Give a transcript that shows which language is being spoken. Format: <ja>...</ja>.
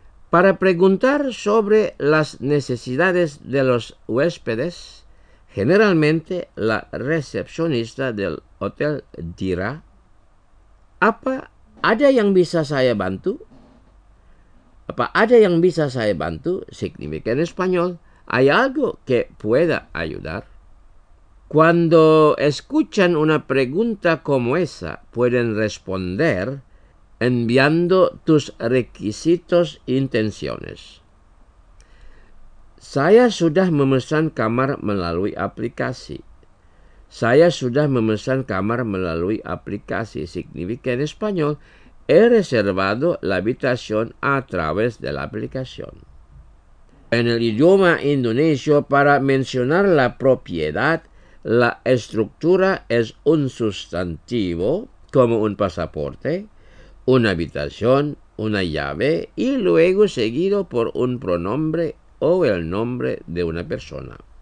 <es>Para preguntar sobre las necesidades de los huéspedes, generalmente la recepcionista del hotel dirá:</es> <id>¿Apa ada yang bisa saya bantu? ¿Apa ada yang bisa saya bantu?</id> <es>Significa en español, ¿hay algo que pueda ayudar? Cuando escuchan una pregunta como esa, pueden responder enviando tus requisitos e intenciones.</es> <id>Saya sudah memesan kamar melalui aplikasi. Saya sudah memesan kamar melalui aplikasi.</id> <es>Significa en español, he reservado la habitación a través de la aplicación. En el idioma indonesio, para mencionar la propiedad, la estructura es un sustantivo, como un pasaporte, una habitación, una llave, y luego seguido por un pronombre o el nombre de una persona.</es>